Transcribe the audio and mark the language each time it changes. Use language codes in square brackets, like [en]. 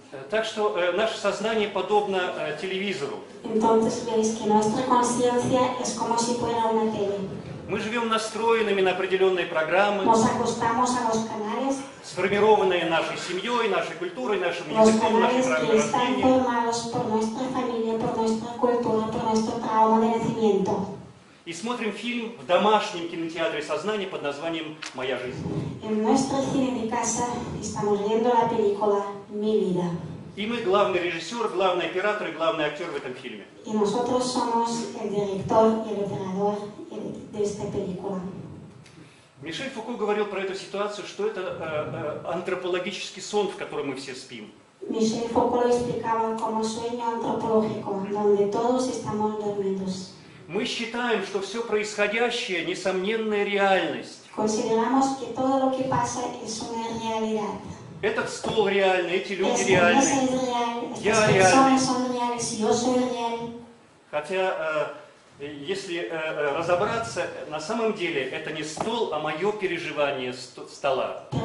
[ru] Так что наше сознание подобно телевизору. [es] Entonces veis que nuestra conciencia es como si fuera una tele. [ru] Мы живем настроенными на определенные программы, [es] nos acostamos a los canales, [ru] сформированные нашей семьей, нашей культурой, нашим языком, нашей программой рождения. И смотрим фильм в домашнем кинотеатре сознания под названием «Моя жизнь». И мы главный режиссер, главный оператор и главный актер в этом фильме. [es] Y nosotros somos el director y el operador de esta película. [ru] Мишель Фуку говорил про эту ситуацию, что это антропологический сон, в котором мы все спим. [es] Мишель Фуку explicaba como sueño antropológico, donde todos estamos dormidos. [ru] Мы считаем, что все происходящее – несомненная реальность. [es] Consideramos que todo lo que pasa es una realidad. [ru] Этот стол реальный, эти люди реальны. [es] Es real, [ru] я реальный. Хотя, если разобраться, на самом деле это не стол, а мое переживание стола.